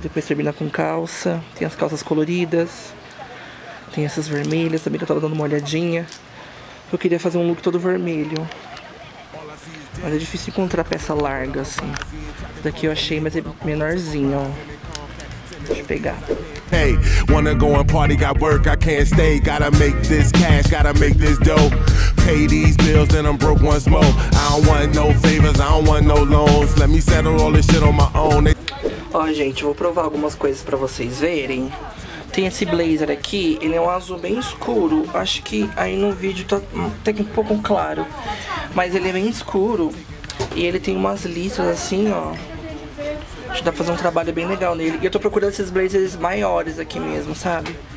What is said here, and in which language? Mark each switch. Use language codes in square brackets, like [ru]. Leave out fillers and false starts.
[pt] Depois termina com calça. Tem as calças coloridas. Tem essas vermelhas também que eu tava dando uma olhadinha. Eu queria fazer um look todo vermelho, mas é difícil encontrar peça larga assim. Essa daqui eu achei, mas é menorzinho, ó. Deixa eu pegar. [en] Hey, wanna go and party, got work, I can't stay. Gotta make this cash, gotta make this dough. Pay these bills, then I'm broke once more. I don't want no favors, I don't want no loans. Let me settle all this shit on my own. [pt] Ó, gente, vou provar algumas coisas pra vocês verem. Tem esse blazer aqui, ele é um azul bem escuro. Acho que aí no vídeo tá até um pouco claro. Mas ele é bem escuro e ele tem umas listras assim, ó. Acho que dá pra fazer um trabalho bem legal nele. E eu tô procurando esses blazers maiores aqui mesmo, sabe?